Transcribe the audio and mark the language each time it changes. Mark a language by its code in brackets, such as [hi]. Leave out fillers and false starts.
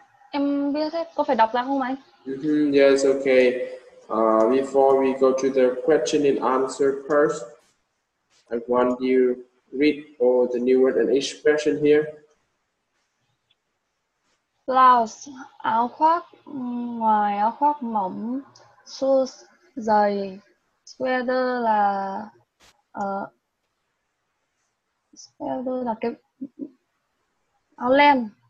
[vi] Em biết hết, có phải đọc ra không anh? [en] Yes, okay. Before we go to the question and answer first, I want you read all the new word and expression here. [vi] Blouse, áo khoác, ngoài áo khoác mỏng, shoes, giày, sweater là sweater là cái áo len.